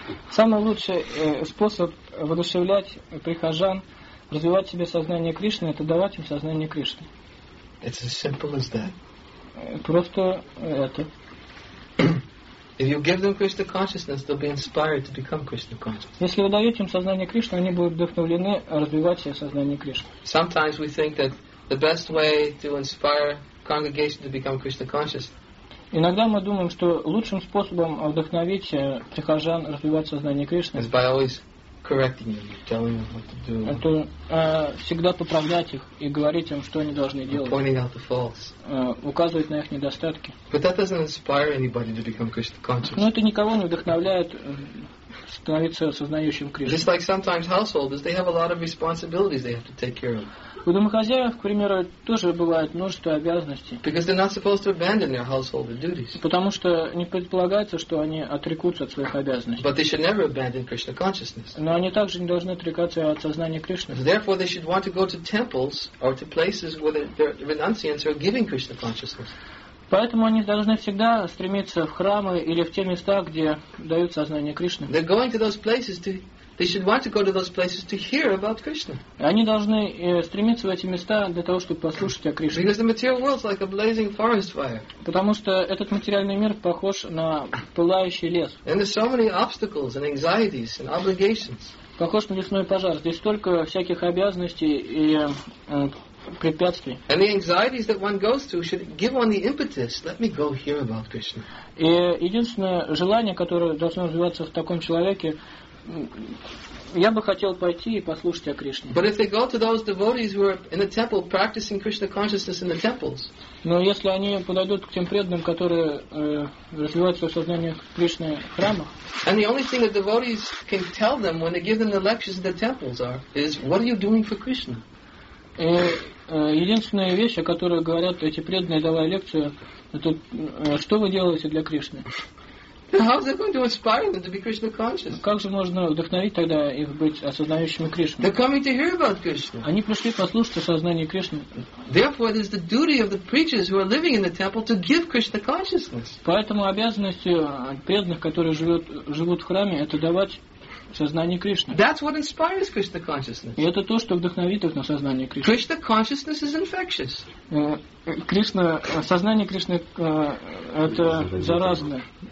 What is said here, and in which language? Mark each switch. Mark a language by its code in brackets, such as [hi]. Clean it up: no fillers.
[ru] Самый лучший способ воодушевлять прихожан развивать в себе сознание Кришны — это давать им сознание Кришны. [en] It's as simple as that. [ru] Просто это. [en] If you give them Krishna consciousness, they'll be inspired to become Krishna conscious. [ru] Если вы даете им сознание Кришны, они будут вдохновлены развивать себе сознание Кришны. [en] Sometimes we think that the best way to inspire congregation to become Krishna conscious. [ru] Иногда мы думаем, что лучшим способом вдохновить прихожан развивать сознание Кришны — [en] is by always correcting them, telling them what to do. [ru] Это всегда поправлять их и говорить им, что они должны делать. [en] Pointing out the faults. [ru] Указывать на их недостатки. [en] But that doesn't inspire anybody to become Krishna conscious. [ru] Но это никого не вдохновляет становиться сознающим Кришну. [en] Just like sometimes householders, they have a lot of responsibilities they have to take care of. [ru] У домохозяев, к примеру, тоже бывает множество обязанностей. [en] Because they're not supposed to abandon their household duties. [ru] Потому что не предполагается, что они отрекутся от своих обязанностей. [en] But they should never abandon Krishna consciousness. [ru] Но они также не должны отрекаться от сознания Кришны. [en] Therefore, they should want to go to temples or to places where their renunciants are giving Krishna consciousness. [ru] Поэтому они должны всегда стремиться в храмы или в те места, где дают сознание Кришны. [en] They're going to those places to. They should want to go to those places to hear about Krishna. [ru] Они должны стремиться в эти места для того, чтобы послушать о Кришне. [en] Because the material world is like a blazing forest fire. [ru] Потому что этот материальный мир похож на пылающий лес. [en] And there's so many obstacles and anxieties and obligations. [ru] Похож на лесной пожар. Здесь столько всяких обязанностей и препятствий. [en] And the anxieties that one goes through should give one the impetus. Let me go hear about Krishna. [ru] И единственное желание, которое должно развиваться в таком человеке: я бы хотел пойти и послушать о Кришне. [en] But if they go to those devotees who are in the temple practicing Krishna consciousness in the temples. [ru] Но если они подойдут к тем преданным, которые развивают свое сознание Кришны в храмах. [en] And the only thing that devotees can tell them when they give them the lectures in the temples are is what are you doing for Krishna? [ru] Единственная вещь, о которой говорят эти преданные, давая лекцию, это что вы делаете для Кришны? [en] How is it going to inspire them to be Krishna conscious? [ru] Как же можно вдохновить тогда их быть осознающими Кришну? [en] They're coming to hear about Krishna. [ru] Они пришли послушать о сознании Кришны. [en] Therefore, it is the duty of the preachers who are living in the temple to give Krishna consciousness. [ru] Поэтому обязанностью преданных, которые живут в храме, это давать сознание Кришны. [en] That's what inspires Krishna consciousness. [ru] И это то, что вдохновит их на сознание Кришны. [en] Krishna consciousness is infectious. [ru] Кришна, сознание Кришны это заразное.